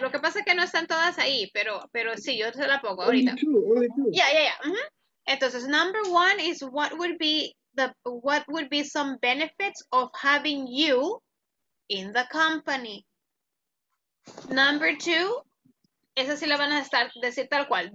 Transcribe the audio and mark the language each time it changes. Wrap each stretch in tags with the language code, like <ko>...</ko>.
<es>Lo que pasa es que no están todas ahí, pero sí, yo se la pongo ahorita.</es> <en>Only two. Yeah. Uh-huh.</en> <es>Entonces,</es> <en>number one is what would be some benefits of having you in the company. Number two,</en> <es>esa sí la van a estar decir tal cual.</es>